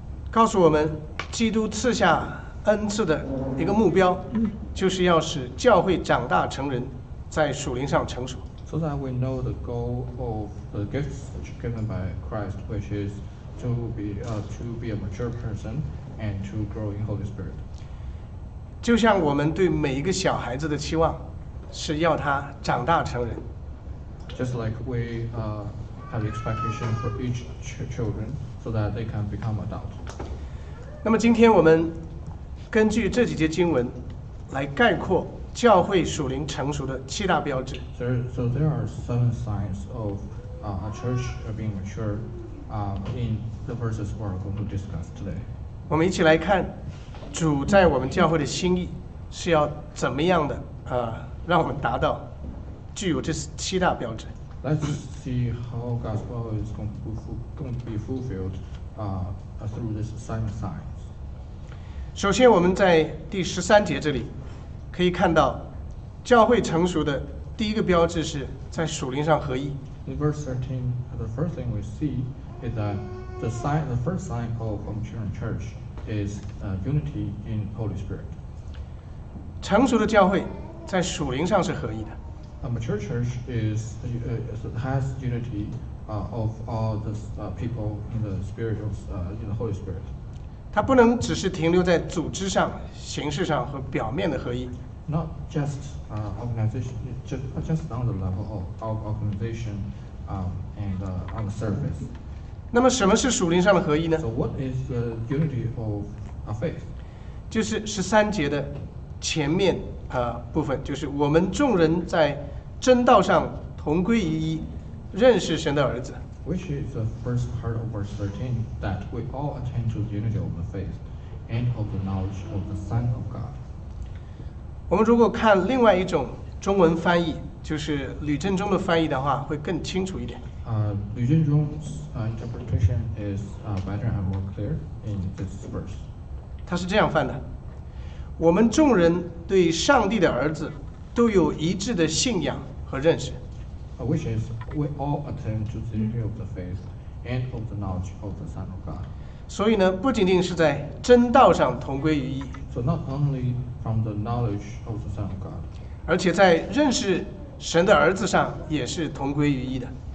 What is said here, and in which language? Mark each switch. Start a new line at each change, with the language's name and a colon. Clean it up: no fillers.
Chinese: 告诉我们，基督赐下恩赐的一个目标，就是要使教会长大成人，在属灵上成熟。
English: So that we know the goal of the gifts given by Christ, which is to be a mature person and to grow in Holy Spirit.
Chinese: 就像我们对每一个小孩子的期望，是要他长大成人。
English: Just like we have expectation for each children so that they can become adult.
Chinese: 那么今天我们根据这几节经文来概括教会属灵成熟的七大标志。
English: So there are seven signs of a church being mature in the verses we are going to discuss today.
Chinese: 我们一起来看。主在我们教会的心意是要怎么样的、让我们达到具有这七大标志。
English: Let's see how God's will is going to be fulfilled through this seven signs.
Chinese: 首先我们在第十三节这里可以看到教会成熟的第一个标志是在属灵上合一。
English: In verse 13, the first thing we see is that the first sign of a mature church. Is unity in Holy Spirit.
Chinese: 成熟的教会在属灵上是合一的。
English: A mature church has unity of all the people in the spirit of in the Holy Spirit.
Chinese: 它不能只是停留在组织上、形式上和表面的合一。
English: Not just organization, just on the level of organization and on the surface.
Chinese: 那么什么是属灵上的合一呢
English: ？So what is the unity of a faith？
Chinese: 就是十三节的前面部分，就是我们众人在真道上同归于一，认识神的儿子。
English: Which is the first part of verse 13 that we all attend to the unity of the faith and of the knowledge of the Son of God。
Chinese: 我们如果看另外一种中文翻译，就是吕振中的翻译的话，会更清楚一点。
English: 吕振中's interpretation is better and more clear in this verse.
Chinese: 他是这样翻的：我们众人对上帝的儿子都有一致的信仰和认识。
English: Which is we all attend to the unity of the faith and of the knowledge of the Son of God.
Chinese: 所以呢，不仅仅是在真道上同归于一。
English: So not only from the knowledge of the Son of God.
Chinese: 而且在认识神的儿子上也是同归于一的。